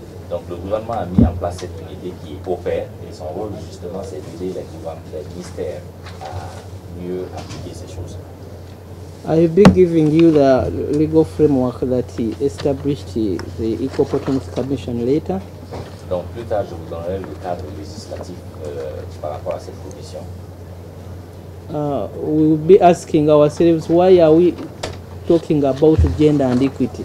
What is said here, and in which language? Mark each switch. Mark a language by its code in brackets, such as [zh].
[fr] Donc le gouvernement a mis en place cette unité qui opère, et son rôle justement c'est d'aider les gouvernements, les ministères à mieux appliquer ces choses. [en] I'll be giving you the legal framework that he established the Equal Opportunity Commission later. [fr] Donc plus tard, je vous donnerai le cadre législatif par rapport à cette commission. [en] We will be asking ourselves, why are we talking about gender and equity?